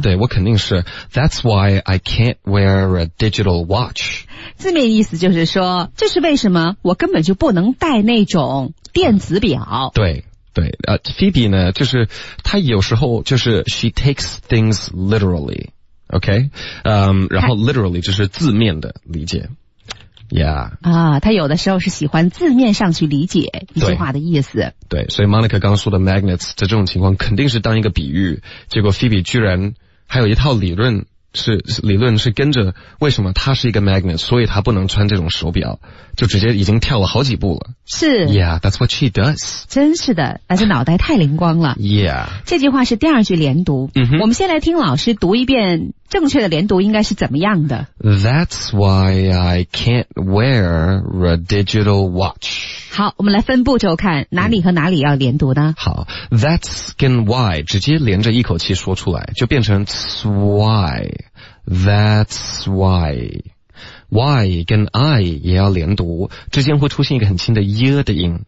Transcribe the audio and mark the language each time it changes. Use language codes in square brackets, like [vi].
[zh] 对我肯定是 [en] ，That's why I can't wear a digital watch。 [zh] 字面意思就是说，这是为什么我根本就不能戴那种电子表。对对，菲比呢，就是他有时候就是 [en] she takes things literally， [zh] OK， 然后 literally 就是字面的理解。Yeah. 啊，他有的时候是喜欢字面上去理解一句话的意思。对，所以 Monica 刚说的 magnets 的这种情况肯定是当一个比喻，结果 Phoebe 居然还有一套理论，是理论是跟着为什么他是一个 magnet， 所以他不能穿这种手表，就直接已经跳了好几步了。是 [en] ，Yeah， that's what she does。 [zh] 真是的，那是脑袋太灵光了。 [en] Yeah， [zh] 这句话是第二句连读。嗯哼，我们先来听老师读一遍正确的连读应该是怎么样的。 [en] That's why I can't wear a digital watch。 [zh] 好，我们来分步骤看哪里和哪里要连读呢？好 ，That's 跟 why 直接连着一口气说出来，就变成 why。 [en] That's why. [zh] Why 跟 I 也要连读，之间会出现一个很轻的 y 的音。